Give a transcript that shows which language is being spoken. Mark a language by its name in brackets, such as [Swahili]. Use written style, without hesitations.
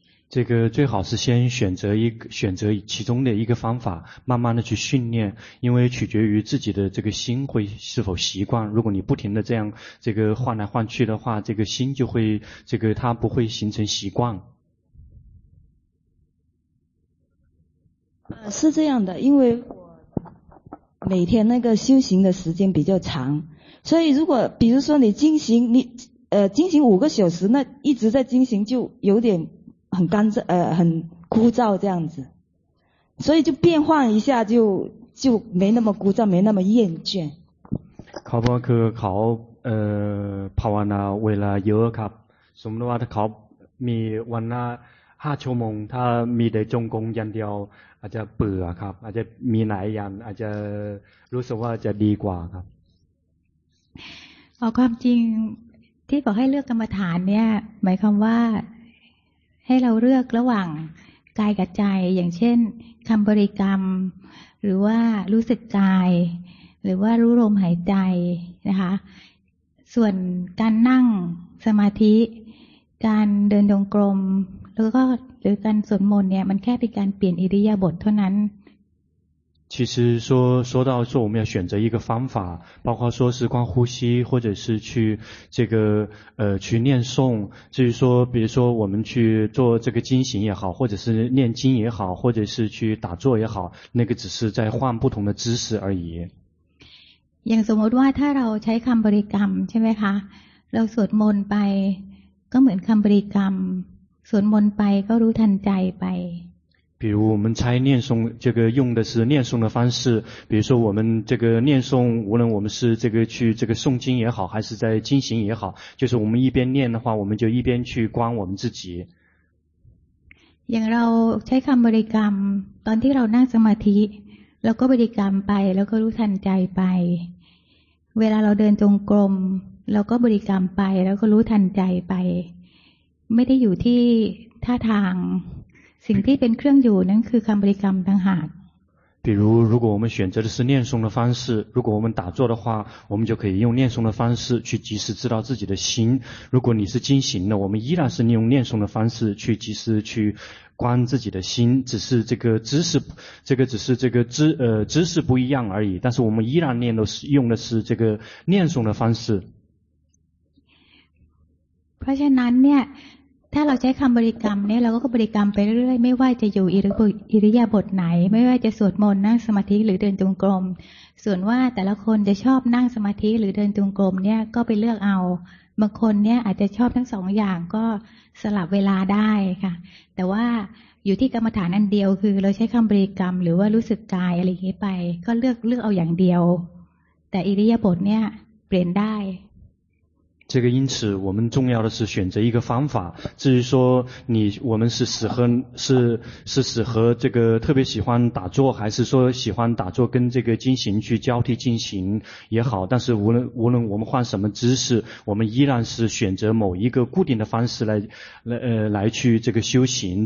[Chinese] 这个最好是先选择其中的一个方法，慢慢的去训练，因为取决于自己的这个心会是否习惯。如果你不停的这样这个换来换去的话，这个心就会这个它不会形成习惯。是这样的，因为我每天那个修行的时间比较长，所以如果比如说你进行进行五个小时，那一直在进行就有点。很干燥很枯燥这样子，所以就变换一下就没那么枯燥，没那么厌倦。 [Thai] ครับคือเขาภาวนาเวลาเยอะครับสมมติว่าถ้าเขามีวันละ5ชั่วโมงถ้ามีแต่จงกรมอย่างเดียวอาจจะเบื่อครับอาจจะมีหลายอย่างอาจจะรู้สึกว่าจะดีกว่าครับ เอาความจริงที่บอกให้เลือกกรรมฐานเนี่ยหมายความว่าให้เราเลือกระหว่างกายกับใจอย่างเช่นคำบริกรรมหรือว่ารู้สึกกายหรือว่ารู้ลมหายใจนะคะส่วนการนั่งสมาธิการเดินจงกรมแล้วก็หรือการสวดมนต์เนี่ยมันแค่เป็นการเปลี่ยนอิริยาบถเท่านั้น [Chinese] 其实说到说我们要选择一个方法，包括说是光呼吸，或者是去这个去念诵。至于说，比如说我们去做这个经行也好，或者是念经也好，或者是去打坐也好，那个只是在换不同的姿势而已。 [Thai] อย่างสมมติว่าถ้าเราใช้คำบริกรรมใช่ไหมคะเราสวดมนต์ไปก็เหมือนคำบริกรรมสวดมนต์ไปก็รู้ทันใจไป [Chinese] 比如我们猜念诵这个用的是念诵的方式，比如说我们这个念诵，无论我们是这个去这个诵经也好，还是在经行也好，就是我们一边念的话，我们就一边去观我们自己。 [Thai] อย่างเราใช้คำบริกรรมตอนที่เรานั่งสมาธิเราก็บริกรรมไปแล้วก็รู้ทันใจไปเวลาเราเดินจงกรมเราก็บริกรรมไปแล้วก็รู้ทันใจไปไม่ได้อยู่ที่ท่าทางสิ่งที่เป็นเครื่องอยู่นั่นคือคำบริกรรมต่างหาก [Chinese] 比如如果我们选择的是念诵的方式，如果我们打坐的话，我们就可以用念诵的方式去及时知道自己的心。如果你是精行的，我们依然是利用念诵的方式去及时去观自己的心，只是这个姿势，这个只是这个姿势不一样而已。但是我们依然念的是用的是这个念诵的方式。 [Thai] เพราะฉะนั้นเนี่ยถ้าเราใช้คำบริกรรมเนี่ยเราก็บริกรรมไปเรื่อยๆไม่ว่าจะอยู่อิริยาบถไหนไม่ว่าจะสวดมนต์นั่งสมาธิหรือเดินจงกรมส่วนว่าแต่ละคนจะชอบนั่งสมาธิหรือเดินจงกรมเนี่ยก็ไปเลือกเอาบางคนเนี่ยอาจจะชอบทั้งสองอย่างก็สลับเวลาได้ค่ะแต่ว่าอยู่ที่กรรมฐานอันเดียวคือเราใช้คำบริกรรมหรือว่ารู้สึกกายอะไรอย่างนี้ไปก็เลือกเอาอย่างเดียวแต่อิริยาบถเนี่ยเปลี่ยนได้ [Chinese] 这个因此我们重要的是选择一个方法，至于说你我们是适合这个特别喜欢打坐，还是说喜欢打坐跟这个经行去交替进行也好，但是无论我们换什么姿势，我们依然是选择某一个固定的方式来去这个修行。